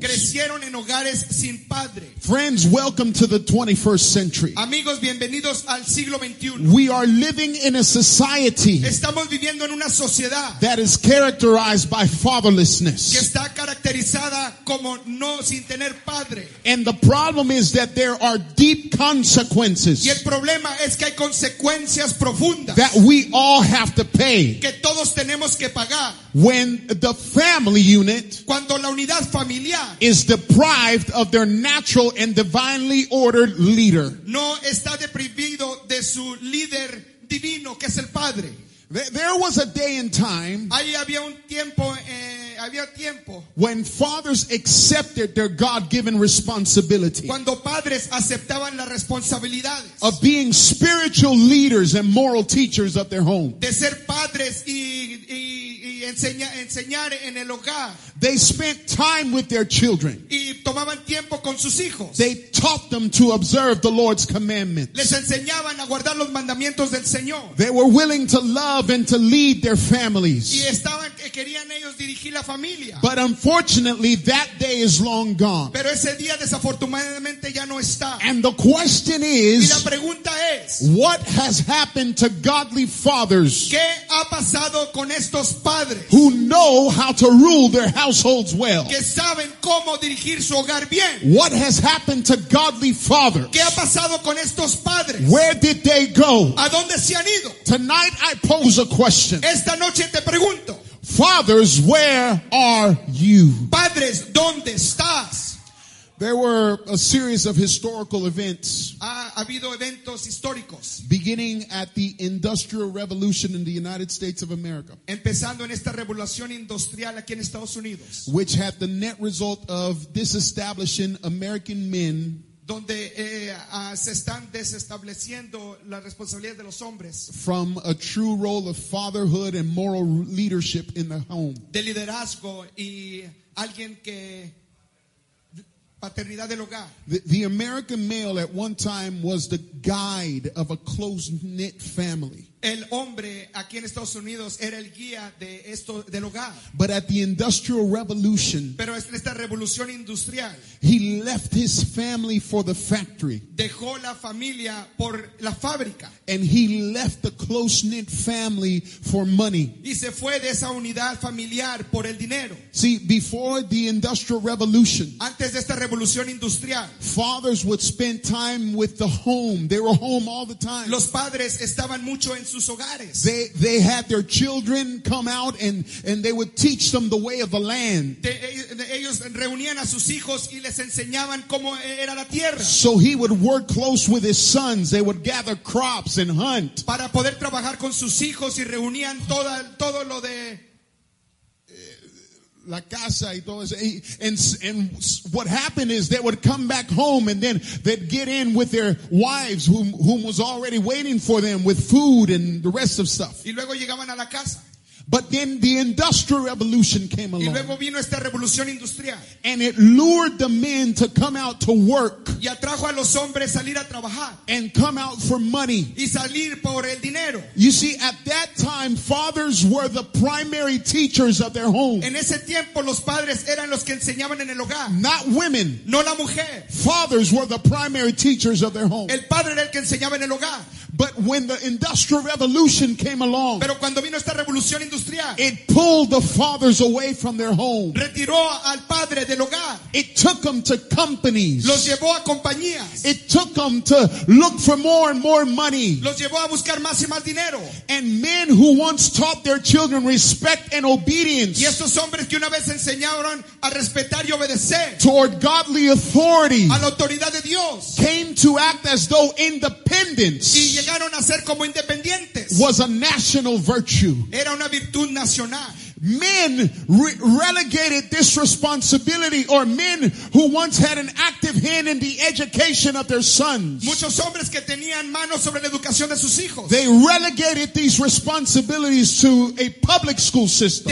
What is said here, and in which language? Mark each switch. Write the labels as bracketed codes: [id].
[es] Crecieron en hogares sin padre. [en] Friends, welcome to the 21st century. [es] Amigos, bienvenidos al siglo 21. [en] We are living in a society. [es] Estamos viviendo en una sociedad. [en] That is characterized by fatherlessness. [es] Que está caracterizada como no sin tener padre. [en] And the problem is that there are deep consequences. [es] Y el problema es que hay consecuencias profundas. [en] That we all have to pay. [es] Que todos tenemos que pagar. [en] When the family unit. [es] Cuando la unidad familiar. [en] Is deprived of their natural and divinely ordered leader. [es] No está deprimido de su líder divino que es el padre. [en] There was a day and time. [es] Ahí había un tiempo había tiempo. [en] When fathers accepted their God-given responsibility. [es] Cuando padres aceptaban las responsabilidades. [en] Of being spiritual leaders and moral teachers of their home. [es] De ser padres y enseñar en el hogar. [en] They spent time with their children. [es] Y tomaban tiempo con sus hijos. [en] They taught them to observe the Lord's commandments. [es] Les enseñaban a guardar los mandamientos del Señor. [en] They were willing to love and to lead their families. [es] Y estaban, querían ellos dirigir la familia. [en] But unfortunately, that day is long gone. [es] Pero ese día desafortunadamente ya no está. [en] And the question is, [es] y la pregunta es, [en] what has happened to godly fathers? [es] ¿Qué ha pasado con estos padres? [en] Who know how to rule their households well. [es] Que saben cómo dirigir su hogar bien. [en] What has happened to godly fathers? [es] ¿Qué ha pasado con estos padres? [en] Where did they go? [es] ¿A dónde se han ido? [en] Tonight I pose a question. [es] Esta noche te pregunto. [en] Fathers, where are you? [es] Padres, ¿dónde estás? [en] There were a series of historical events. [es] Ha habido eventos históricos. [en] Beginning at the Industrial Revolution in the United States of America. [es] Empezando en esta revolución industrial aquí en Estados Unidos. [en] Which had the net result of disestablishing American men. [es] Donde se están desestableciendo las responsabilidades de los hombres. [en] From a true role of fatherhood and moral leadership in the home. [es] De liderazgo y alguien que paternidad del hogar. [en] The American male at one time was the guide of a close-knit family. [es] El hombre aquí en Estados Unidos era el guía de esto del hogar. [en] But at the Industrial Revolution, [es] pero en esta revolución industrial, [en] he left his family for the factory. [es] Dejó la familia por la fábrica. [en] And he left the close-knit family for money. [es] Y se fue de esa unidad familiar por el dinero. [en] See, before the Industrial Revolution, [es] antes de esta revolución industrial, [en] fathers would spend time with the home. They were home all the time. [es] Los padres estaban mucho en sus hogares. [en] They had their children come out and they would teach them the way of the land. [es] Ellos reunían a sus hijos y les enseñaban cómo era la tierra. [en] So he would work close with his sons. They would gather crops and hunt. [es] Para poder trabajar con sus hijos y reunían todo lo de la casa y todo eso. [en] And what happened is they would come back home and then they'd get in with their wives whom was already waiting for them with food and the rest of stuff. [es] Y luego llegaban a la casa. [en] But then the Industrial Revolution came along. [es] Y luego vino esta revolución industrial. [en] And it lured the men to come out to work. [es] Y atrajo a los hombres salir a trabajar. [en] And come out for money. [es] Y salir por el dinero. [en] You see, at that time, fathers were the primary teachers of their home. [es] En ese tiempo, los padres eran los que enseñaban en el hogar. [en] Not women. [es] No la mujer. [en] Fathers were the primary teachers of their home. [es] El padre era el que enseñaba en el hogar. [en] But when the Industrial Revolution came along, [es] pero cuando vino esta revolución industrial, [en] it pulled the fathers away from their home. [es] Retiró al padre del hogar. [en] It took them to companies. [es] Los llevó a compañías. [en] It took them to look for more and more money. [es] Los llevó a buscar más y más dinero. [en] And men who once taught their children respect and obedience, [es] y estos hombres que una vez enseñaron a respetar y obedecer, [en] toward godly authority, [es] a la autoridad de Dios, [en] came to act as though independence, [es] y llegaron a ser como independientes, [en] was a national virtue. [es] Era una virtud nacional. [en] Men relegated this responsibility, or men who once had an active hand in the education of their sons. [es] Muchos hombres que tenían manos sobre la educación de sus hijos. [en] They relegated these responsibilities to a public school system.